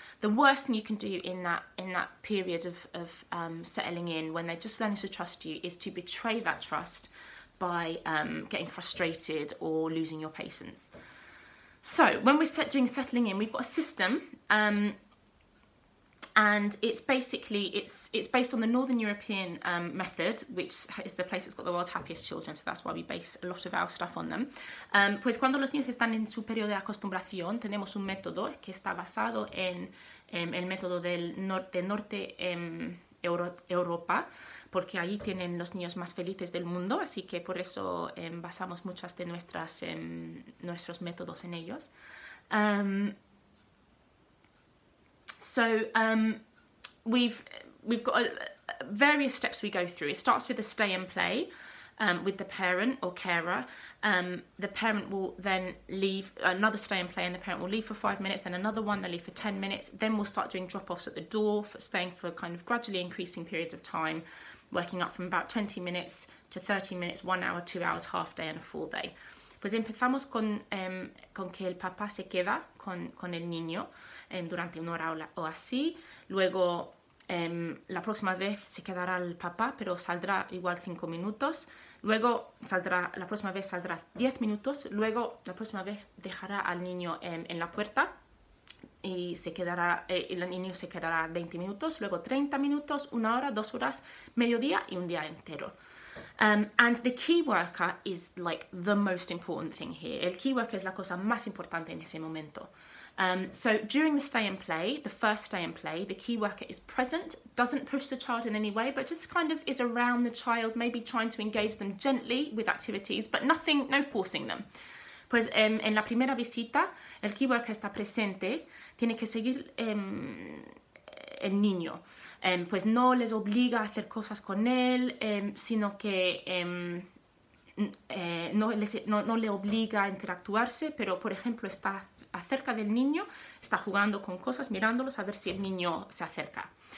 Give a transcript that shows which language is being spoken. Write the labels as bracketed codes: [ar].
[en] The worst thing you can do in that period of settling in, when they're just learning to trust you, is to betray that trust by getting frustrated or losing your patience. So when we're settling in, we've got a system. And it's based on the Northern European method, which is the place that's got the world's happiest children, so that's why we base a lot of our stuff on them. [es] Pues cuando los niños están en su periodo de acostumbración, tenemos un método que está basado en el método del norte Europa, porque allí tienen los niños más felices del mundo, así que por eso basamos muchas de nuestros métodos en ellos. [en] So we've got various steps we go through. It starts with a stay and play with the parent or carer. The parent will then leave, another stay and play, and the parent will leave for 5 minutes, then another one, they'll leave for 10 minutes. Then we'll start doing drop-offs at the door, for staying for kind of gradually increasing periods of time, working up from about 20 minutes to 30 minutes, 1 hour, 2 hours, half day and a full day. [es] Pues empezamos con que el papá se queda con el niño durante una hora o así. Luego, la próxima vez se quedará el papá, pero saldrá igual 5 minutos. Luego, saldrá 10 minutos. Luego, la próxima vez dejará al niño en la puerta y el niño se quedará 20 minutos. Luego, 30 minutos, una hora, 2 horas, mediodía y un día entero. [en] And the key worker is like the most important thing here. [es] El key worker es la cosa más importante en ese momento. [en] So during the stay and play, the first stay and play, the key worker is present, doesn't push the child in any way, but just kind of is around the child, maybe trying to engage them gently with activities, but nothing, no forcing them. [es] Pues en la primera visita, el key worker está presente, tiene que seguir el niño, pues no les obliga a hacer cosas con él, sino que no le obliga a interactuarse, pero por ejemplo está acerca del niño, está jugando con cosas, mirándolos a ver si el niño se acerca.